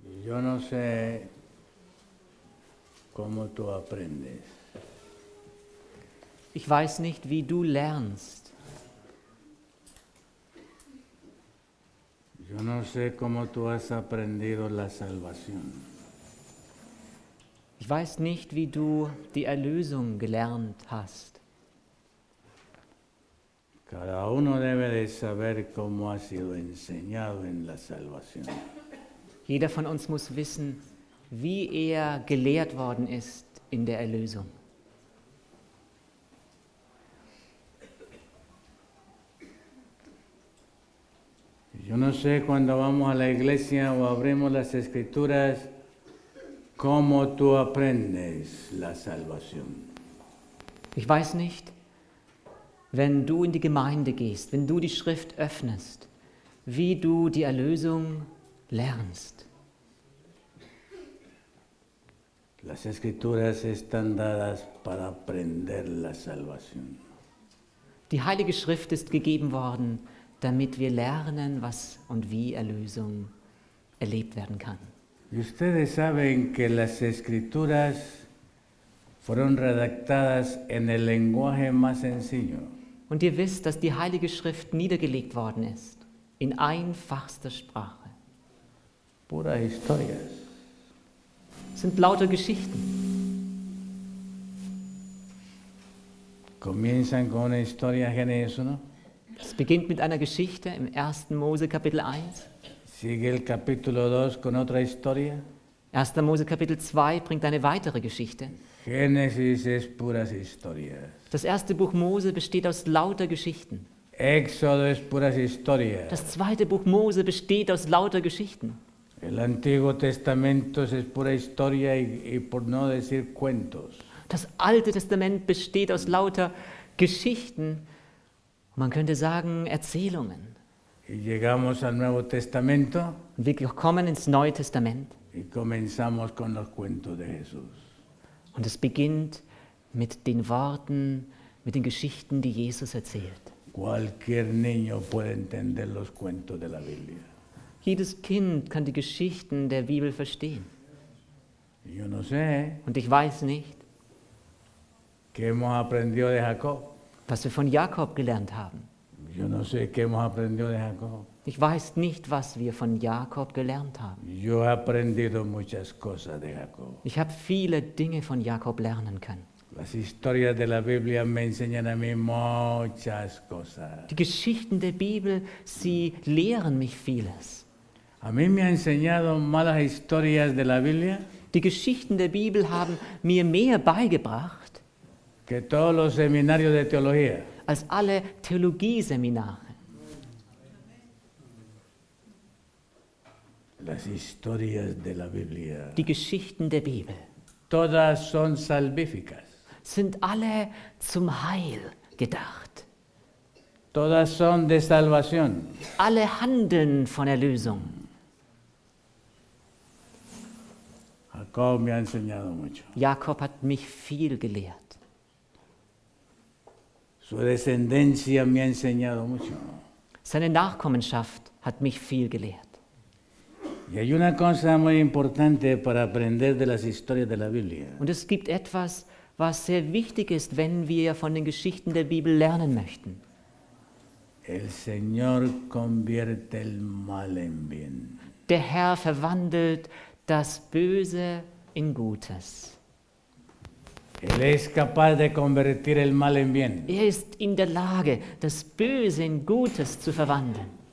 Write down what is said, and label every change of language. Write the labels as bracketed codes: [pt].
[es] Yo no sé cómo tú aprendes. [de] Ich weiß nicht, wie du lernst. [es] Yo no sé cómo tú has aprendido la salvación. [de] Ich weiß nicht, wie du die Erlösung gelernt hast. [es] Cada uno debe de saber cómo ha sido enseñado en la salvación. [de] Jeder von uns muss wissen, wie er gelehrt worden ist in der Erlösung. [es] Yo no sé cuando vamos a la iglesia o abrimos las escrituras cómo tú aprendes la salvación. [de] Ich weiß nicht, wenn du in die Gemeinde gehst, wenn du die Schrift öffnest, wie du die Erlösung lernst. [es] Las escrituras están dadas para aprender la salvación. [de] Die Heilige Schrift ist gegeben worden, damit wir lernen, was und wie Erlösung erlebt werden kann. [es] Y ustedes saben que las escrituras fueron redactadas en el lenguaje más sencillo. [de] Und ihr wisst, dass die Heilige Schrift niedergelegt worden ist, in einfachster Sprache. [es] Pura historias. [de] Sind lauter Geschichten. [es] Comienzan con una historia Genesis 1. [de] Es beginnt mit einer Geschichte im 1. Mose Kapitel 1. [es] Sigue el capítulo 2 con otra historia. [de] 1. Mose Kapitel 2 bringt eine weitere Geschichte. [es] Genesis es puras historias. [de] Das erste Buch Mose besteht aus lauter Geschichten. [es] Exodo es puras historias. [de] Das zweite Buch Mose besteht aus lauter Geschichten. [es] El Antiguo Testamento es pura historia y por no decir cuentos. [de] Das Alte Testament besteht aus lauter Geschichten. Man könnte sagen Erzählungen. [es] Y llegamos al Nuevo Testamento. [de] Wir kommen ins Neue Testament. [es] Y comenzamos con los cuentos de Jesús. [de] Und es beginnt mit den Worten, mit den Geschichten, die Jesus erzählt. [es] Cualquier niño puede entender los cuentos de la Biblia. [de] Jedes Kind kann die Geschichten der Bibel verstehen. [es] Yo no sé, [de] und ich weiß nicht, [es] que hemos aprendido de Jacob. [de] Was wir von Jakob gelernt haben. [es] Yo no sé, que hemos aprendido de Jacob. [de] Ich weiß nicht, was wir von Jakob gelernt haben. [es] Yo he aprendido muchas cosas de Jacob. [de] Ich habe viele Dinge von Jakob lernen können. [es] Las historias de la Biblia me enseñan a mí muchas cosas. [de] Die Geschichten der Bibel, sie lehren mich vieles. [es] A mí me ha enseñado malas historias de la Biblia. [de] Die Geschichten der Bibel haben mir mehr beigebracht. [es] Que todos los seminarios de teología. [de] Als alle Theologieseminare. [es] Las historias de la Biblia. [de] Die Geschichten der Bibel. [es] Todas son salvíficas. [de] Sind alle zum Heil gedacht. [es] Todas son de salvación. [de] Alle handeln von Erlösung. [es] Jacob me ha enseñado mucho. [de] Jakob hat mich viel gelehrt. [es] Su descendencia me ha enseñado mucho. [de] Seine Nachkommenschaft hat mich viel gelehrt. [es] Y hay una cosa muy importante para aprender de las historias de la Biblia. [de] Und es gibt etwas, was sehr wichtig ist, wenn wir von den Geschichten der Bibel lernen möchten. [es] El Señor convierte el mal en bien. [de] Der Herr verwandelt das Böse in Gutes. [es] Él es capaz de convertir el mal en bien. [de] Er ist in der Lage, das Böse in Gutes zu verwandeln.